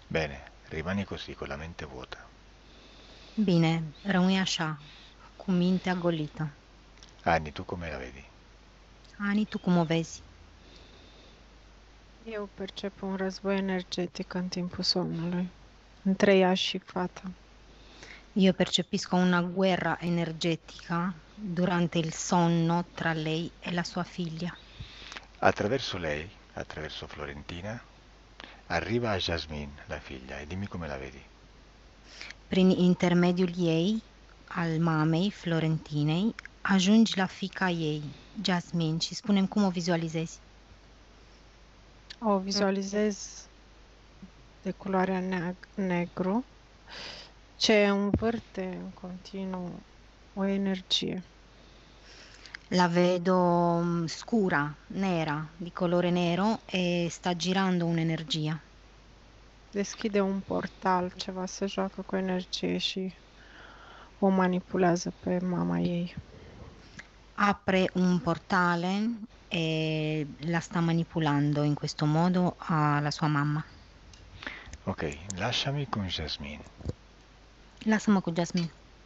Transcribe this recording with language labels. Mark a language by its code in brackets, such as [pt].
[it] Bene, rimani così con la mente vuota. [ro] Bene, rămâi așa, cu mintea golită. [it] Anni, tu come la vedi? [ro] Ani, tu cum o vezi? [it] Io percepo [ro] un război energetic în timpul somnului, între ea și fata. [it] Io percepisco una guerra energetica durante il sonno tra lei e la sua figlia. Attraverso lei, attraverso Florentina, arriva a Jasmine, la figlia, e dimmi come la vedi. [ro] Prin intermediul ei, al mamei Florentinei, [it] aggiungi la fica [ro] ei, Jasmine, și spunem cum o vizualizezi. O vizualizez de culoarea negru, ce învârte în continuu o energie. [it] La vedo scura, nera, di colore nero e sta girando un'energia. [ro] Deschide un portal, ceva se joacă cu energie și o manipulează pe mama ei. [it] Apre un portale e la sta manipolando in questo modo alla sua mamma. Ok, lasciami con Jasmine. Lasciamo con Jasmine.